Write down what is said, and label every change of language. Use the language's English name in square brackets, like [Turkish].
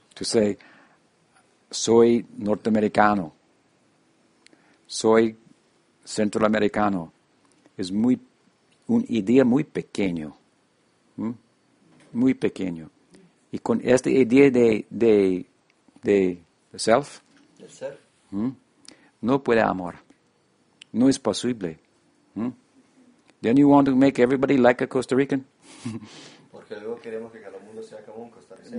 [English] To say, [Spanish] soy norteamericano, soy centroamericano, [English] is [Spanish] muy un idea muy pequeño. Muy pequeño. Y con esta idea de self, no puede amar. No es posible. [English] Then you want to make everybody like a Costa Rican? [Spanish] Porque luego queremos que cada mundo sea como un costarricense.